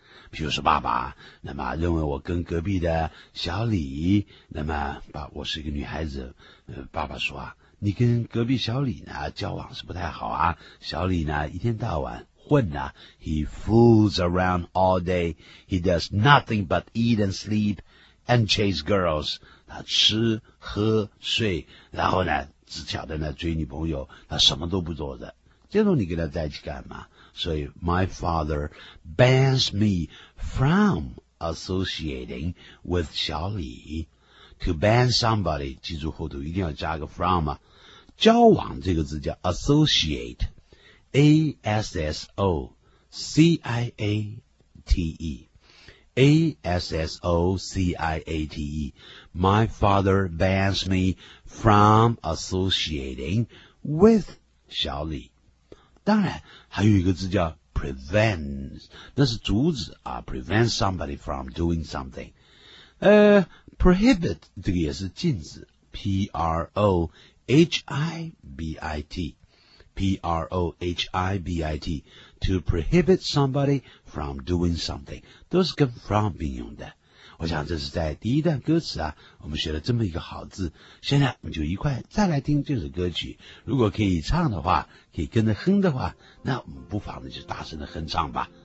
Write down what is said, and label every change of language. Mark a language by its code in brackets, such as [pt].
[zh] 比如说爸爸，那么认为我跟隔壁的小李，那么爸，我是一个女孩子，爸爸说啊，你跟隔壁小李呢交往是不太好啊，小李呢一天到晚混呐、啊、， [en] he fools around all day， he does nothing but eat and sleep。 And chase girls， [zh] 他吃喝睡，然后呢，只晓得呢追女朋友，他什么都不做的。这种你跟他在一起干嘛？所以 [en] ，my father bans me from associating with 小李。 To ban somebody， [zh] 记住后头一定要加个 from 啊。交往这个字叫 associate，A S S O C I A T E。 [en] A-S-S-O-C-I-A-T-E My father bans me from associating with 小李。 [zh] 当然还有一个字叫 prevent， 那是阻止啊 [en] prevent somebody from doing something。 prohibit [zh] 这个也是禁止 [en] P-R-O-H-I-B-I-T P-R-O-H-I-B-I-T To prohibit somebody from doing something [zh] 都是跟 from 并用的。我想这是在第一段歌词啊，我们学了这么一个好字。现在我们就一块再来听这首歌曲，如果可以唱的话，可以跟着哼的话，那我们不妨就大声的哼唱吧。